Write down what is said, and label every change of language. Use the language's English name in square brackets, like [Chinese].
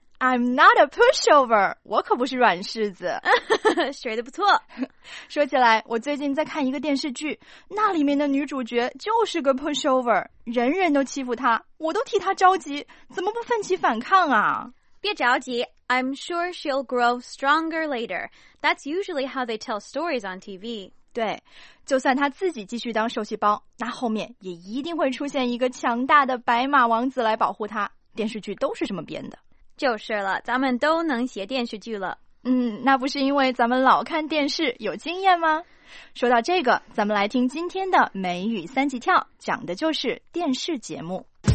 [English] I'm not a pushover， [Chinese] 我可不是软柿子。学得不错。说起来，我最近在看一个电视剧，那里面的女主角就是个 pushover， 人人都欺负她，我都替她着急，怎么不奋起反抗啊？别着急， [English] I'm sure she'll grow stronger later. That's usually how they tell stories on TV. [Chinese] 对，就算她自己继续当受气包，那后面也一定会出现一个强大的白马王子来保护她。电视剧都是这么编的。就是了，咱们都能写电视剧了。那不是因为咱们老看电视有经验吗？说到这个，咱们来听今天的美语三级跳，讲的就是电视节目。